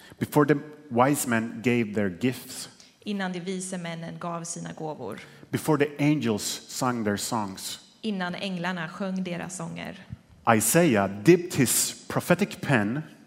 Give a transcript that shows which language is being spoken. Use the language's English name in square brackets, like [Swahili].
[English] Before the wise men gave their gifts. [Swedish] Innan de vise männen gav sina gåvor. [English] Before the angels sang their songs. [Swedish] Innan änglarna sjöng deras sånger. [English] Isaiah dipped his prophetic pen.